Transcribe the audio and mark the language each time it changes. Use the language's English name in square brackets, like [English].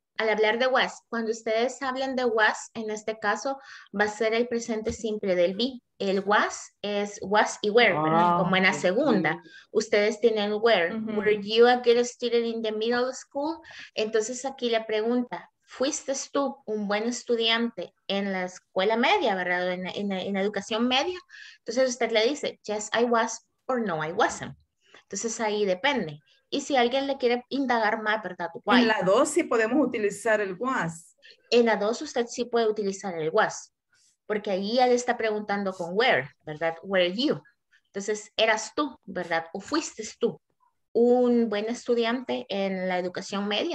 [Spanish] Al hablar de was, cuando ustedes hablen de was, en este caso, va a ser el presente simple del be. El was es was y were, como en la segunda. Ustedes tienen where. [English] Were you a good student in the middle school? [Spanish] Entonces aquí la pregunta, ¿fuiste tú un buen estudiante en la escuela media, verdad? En educación media. Entonces usted le dice, [English] yes, I was or no, I wasn't. [Spanish] Entonces ahí depende. Y si alguien le quiere indagar más, ¿verdad? Why? En la dos sí podemos utilizar el was. En la dos usted sí puede utilizar el was. Porque ahí él está preguntando con where, ¿verdad? [English] Were you? [Spanish] Entonces, ¿eras tú, verdad? ¿O fuiste tú un buen estudiante en la educación media?